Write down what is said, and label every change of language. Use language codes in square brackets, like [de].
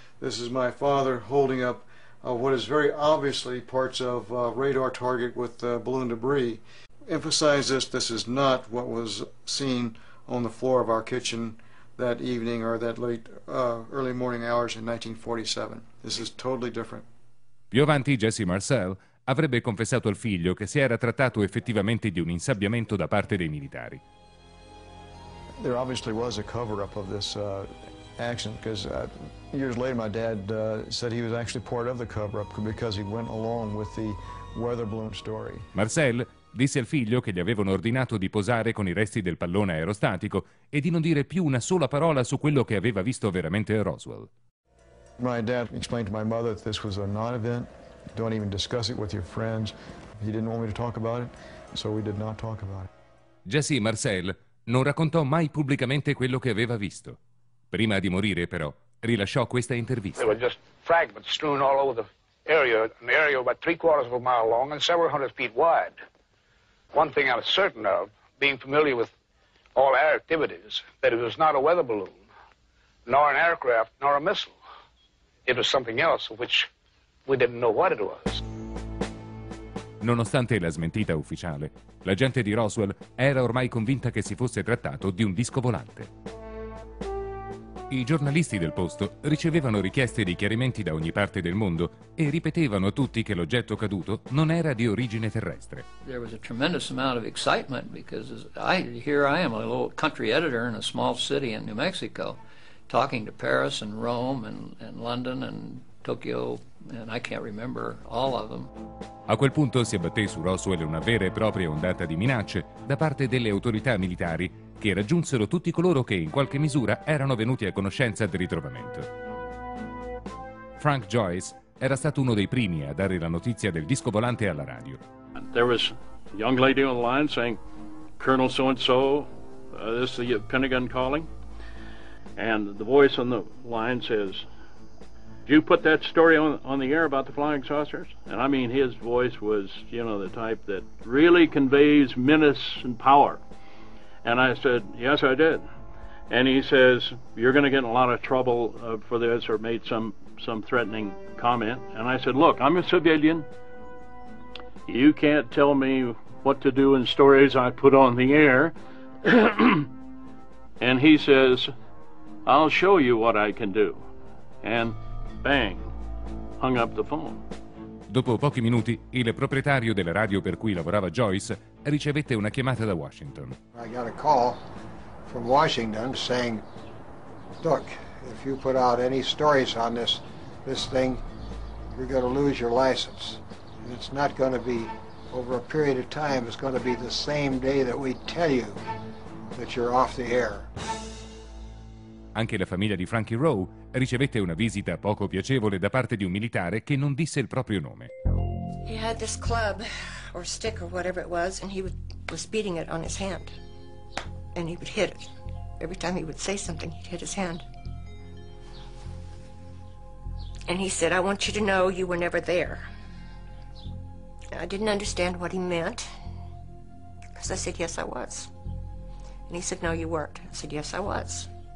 [en] This is my father holding up what is very obviously parts of a radar target with balloon debris. Emphasize this is not what was seen on the floor of our kitchen that evening or that late early morning hours in 1947. This is totally different. [it] Più avanti, Jesse Marcel avrebbe confessato al figlio che si era trattato effettivamente di un insabbiamento da parte dei militari. [en] There obviously was a cover-up of this accident, because years later my dad said he was actually part of the cover-up because he went along with the weather balloon story. [it] Marcel disse al figlio che gli avevano ordinato di posare con i resti del pallone aerostatico e di non dire più una sola parola su quello che aveva visto veramente a Roswell. [en] My dad explained to my mother that this was a non-event. Don't even discuss it with your friends. He didn't want me to talk about it, so we did not talk about it. [it] Jesse Marcel non raccontò mai pubblicamente quello che aveva visto. Prima di morire, però, rilasciò questa intervista. [en] There were just fragments strewn all over the area, an area about three quarters of a mile long and several hundred feet wide. One thing I was certain of, being familiar with all air activities, that it was not a weather balloon, nor an aircraft, nor a missile. It was something else of which we didn't know what it was. [it] Nonostante la smentita ufficiale, la gente di Roswell era ormai convinta che si fosse trattato di un disco volante. I giornalisti del posto ricevevano richieste di chiarimenti da ogni parte del mondo e ripetevano a tutti che l'oggetto caduto non era di origine terrestre. [en] There was a tremendous amount of excitement because here I am, a little country editor in a small city in New Mexico, talking to Paris and Rome and London and Tokyo, and I can't remember all of them. [it] A quel punto si abbatté su Roswell una vera e propria ondata di minacce da parte delle autorità militari, che raggiunsero tutti coloro che in qualche misura erano venuti a conoscenza del ritrovamento. Frank Joyce era stato uno dei primi a dare la notizia del disco volante alla radio. [en] There was a young lady on the line saying, Colonel so-and-so, this is the Pentagon calling. And the voice on the line says, did you put that story on the air about the flying saucers? And I mean, his voice was, you know, the type that really conveys menace and power. And I said, yes, I did. And he says, you're going to get in a lot of trouble for this, or made some threatening comment. And I said, look, I'm a civilian. You can't tell me what to do in stories I put on the air. And he says, I'll show you what I can do. And bang, hung up the phone. [it] Dopo pochi minuti, il proprietario della radio per cui lavorava Joyce ricevette una chiamata da Washington. [en] I got a call from Washington saying, look, if you put out any stories on this thing, you're going to lose your license. And it's not going to be over a period of time. It's going to be the same day that we tell you that you're off the air. [it] Anche la famiglia di Frankie Rowe ricevette una visita poco piacevole da parte di un militare che non disse il proprio nome. [en] He had this club or stick or whatever it was, and he was beating it on his hand, and he would hit it. Every time he would say something, he'd hit his hand. And he said, I want you to know you were never there. And I didn't understand what he meant, because I said, yes, I was. And he said, no, you weren't. I said, yes, I was.